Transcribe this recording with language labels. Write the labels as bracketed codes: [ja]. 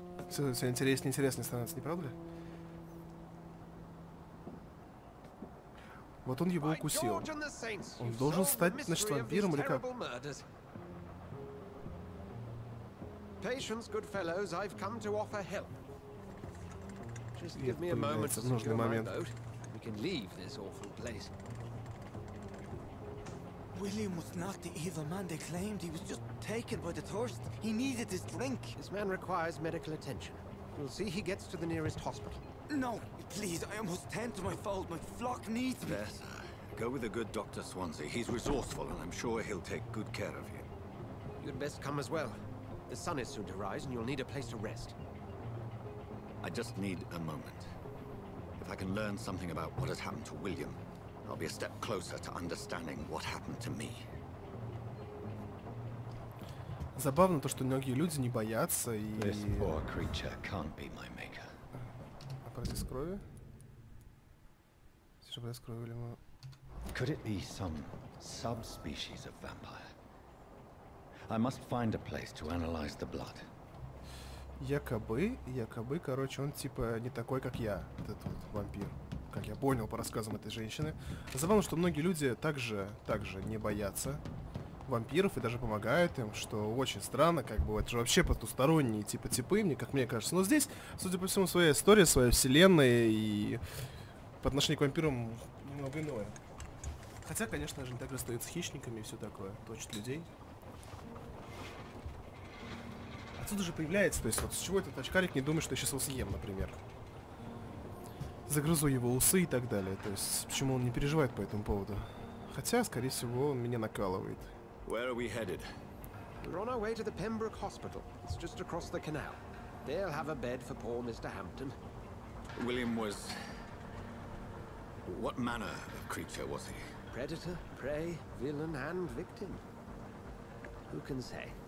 [ru] Все интереснее и интереснее становится, не правда ли? Вот он его укусил. Он должен стать, значит, вампиром или как? [en] Patience, good fellows, I've come to offer help. Just give me a moment to secure my boat. We can leave this awful place. William was not the evil man they claimed. He was just taken by the thirst. He needed his drink. This man requires medical attention. We'll see he gets to the nearest hospital. No, please, I must tend to my fold. My flock needs me. Yes, sir. Go with the good Dr. Swansea. He's resourceful, and I'm sure he'll take good care of you. You'd best come as well. The sun is soon to rise, and you'll need a place to rest. I just need a moment. If I can learn something about what has happened to William, I'll be a step closer to understanding what happened to me. [ru] Забавно то, что многие люди не боятся и... [en] This poor creature can't be my maker. [ru] А процесс крови? Все же процесс крови, или мы... [en] Could it be some subspecies of vampire? I must find a place to analyze the blood. [ru] Якобы, короче, он типа не такой, как я, этот вот вампир. Как я понял по рассказам этой женщины. Забавно, что многие люди также не боятся вампиров и даже помогают им, что очень странно, как бы, это же вообще потусторонние типы, мне кажется. Но здесь, судя по всему, своя история, своя вселенная и по отношению к вампирам немного иное. Хотя, конечно же, они также остаются хищниками и все такое, точат людей. Отсюда же появляется, то есть вот с чего этот очкарик не думает, что я сейчас его съем, например. Загрызу его усы и так далее, то есть почему он не переживает по этому поводу. Хотя, скорее всего, он меня накалывает. [en] Where are we headed? We're on our way to the Pembroke Hospital. It's just across the canal. They'll have a bed for poor Mr. Hampton. William was... What manner of creature was he? Predator, prey, villain, and victim. Who can say?